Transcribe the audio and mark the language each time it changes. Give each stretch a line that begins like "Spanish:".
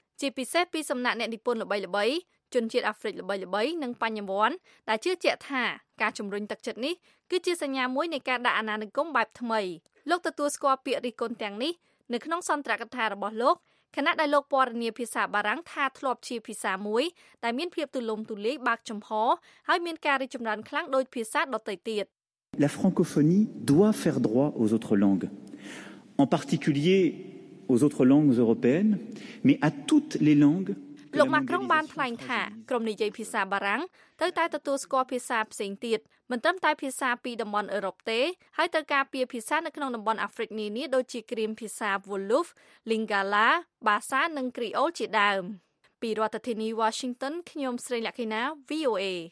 Khmer: ជាពិសេសពីសំណាក់អ្នកនិពន្ធល្បីៗជនជាតិអាហ្វ្រិកល្បីៗនិងបញ្ញវន្តដែលជឿជាក់ថាការជំរុញទឹកចិត្តនេះគឺជាសញ្ញាមួយនៃការដាក់អាណានិគមបែបថ្មីលោកទទួលស្គាល់ពាក្យរិះគន់ទាំងនេះនៅក្នុងសន្ទរកថារបស់លោកខណៈដែលលោកពណ៌នាភាសាបារាំងថាធ្លាប់ជាភាសាមួយដែលមានភាពទូលំទូលាយបើកចំហហើយមានការរីចម្រើនខ្លាំងដោយភាសាដទៃទៀត
French: La francophonie doit faire droit aux autres langues en particulier aux autres langues européennes mais à toutes les langues
Khmer: លោកម៉ាក្រុងបានថ្លែងថាក្រុមនិយាយភាសាបារាំងត្រូវតែទទួលស្គាល់ភាសាផ្សេងទៀតមិនត្រឹមតែភាសាពីតំបន់អឺរ៉ុបទេហើយត្រូវការពៀភាសានៅក្នុងតំបន់អាហ្វ្រិកនានាដូចជាគ្រាមភាសាវ៉ូលូហ្វលីងកាឡាបាសានិងគ្រីអូលជាដើមពីរដ្ឋធានី Washington ខ្ញុំស្រីលក្ខិណា VOA